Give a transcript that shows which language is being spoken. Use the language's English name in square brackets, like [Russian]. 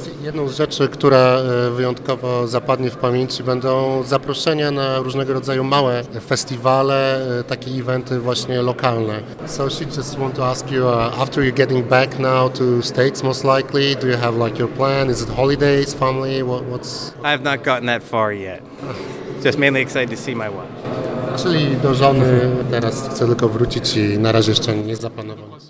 [Polish] Jedną z rzeczy, która wyjątkowo zapadnie w pamięci, będą zaproszenia na różnego rodzaju małe festiwale, takie eventy właśnie lokalne. [English] So she just want to ask you, after you're getting back now to States most likely, do you have like your plan? Is it holidays, family? What's? I have not gotten that far yet. Just mainly excited to see my wife. [Polish] Czyli do żony teraz chcę tylko wrócić i na razie jeszcze nie zaplanowałem.